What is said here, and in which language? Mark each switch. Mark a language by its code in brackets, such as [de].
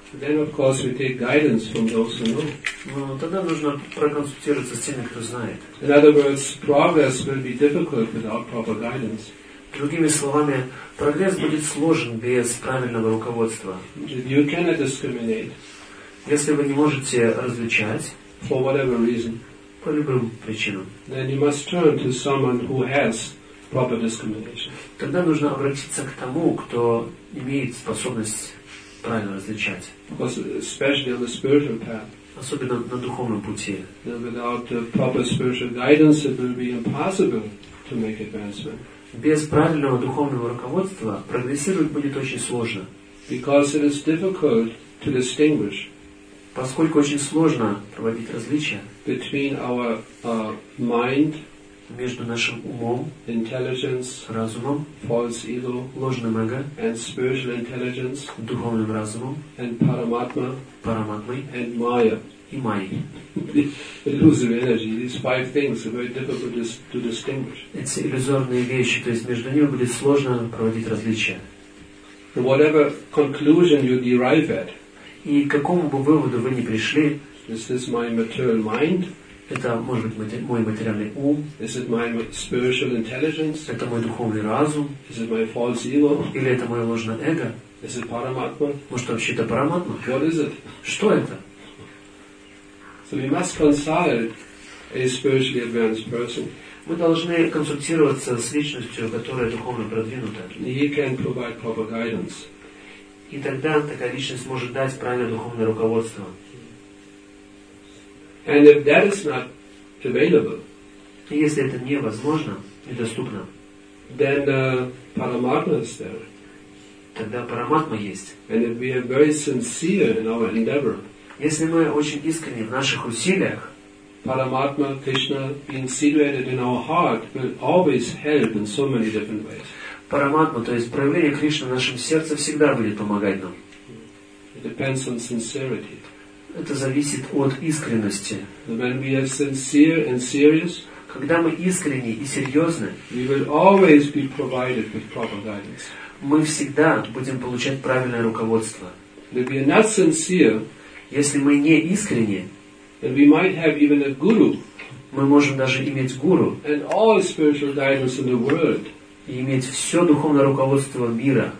[en] Then of course we take guidance from those who know. [ru] Ну, тогда нужно проконсультироваться с теми, кто знает. [en] In other words, progress will be difficult without proper guidance. [ru] Другими словами, прогресс будет сложен без правильного руководства. [en] You cannot discriminate. [ru] Если вы не можете различать, [en] for whatever reason, [ru] по любым причинам, [en] then you must turn to someone who has proper discrimination. [ru] Тогда нужно обратиться к тому, кто имеет способность правильно различать. [en] Because especially on the spiritual path. [ru] Особенно на духовном пути. [en] Without proper spiritual guidance, it will be impossible to make advancement. [ru] Без правильного духовного руководства прогрессировать будет очень сложно. [en] Because it is difficult to distinguish. [ru] Поскольку очень сложно проводить различия [en] between our mind, [ru] между нашим умом, [en] intelligence, [ru] разумом, [en] false ego, [ru] ложным эго, [en] and spiritual intelligence, [ru] духовным разумом, [en] and paramatma, [ru] параматмой, [en] and maya, [ru] и майей. [en] The illusory energy, these five things are very difficult to distinguish. [ru] Эти иллюзорные вещи, то есть между ними будет сложно проводить различия. [en] Whatever conclusion you derive at, [ru] и к какому бы выводу вы ни пришли, [en] is this my material mind? [ru] Это может быть мой материальный ум? [en] Is it my spiritual intelligence? [ru] Это мой духовный разум? [en] Is it my false ego? [ru] Или это мое ложное эго? [en] Is it параматма? [ru] Может, вообще это параматма? [en] What is it? [ru] Что это? [en] So we must consult a spiritually advanced person. [ru] Мы должны консультироваться с личностью, которая духовно продвинута. [en] He can provide proper guidance. [ru] И тогда такая личность может дать правильное духовное руководство. [en] And if that is not available, [ru] если это невозможно, недоступно, [en] then Paramatma is there. [ru] Тогда Параматма есть. [en] And if we are very sincere in our endeavor, [ru] если мы очень искренни в наших усилиях, [en] Paramatma, Krishna, being situated in our heart, will always help in so many different ways. [ru] Параматма, то есть проявление Кришны в нашем сердце, всегда будет помогать нам. [en] It depends on sincerity. [ru] Это зависит от искренности. [en] When we are sincere and serious, [ru] когда мы искренни и серьезны, [en] we will always be provided with proper guidance. [ru] Мы всегда будем получать правильное руководство. [en] If we are not sincere, [ru] если мы не искренни, [en] then we might have even a guru, [ru] мы можем даже иметь гуру, [en] and all spiritual guidance in the world, [ru] и иметь все духовное руководство мира,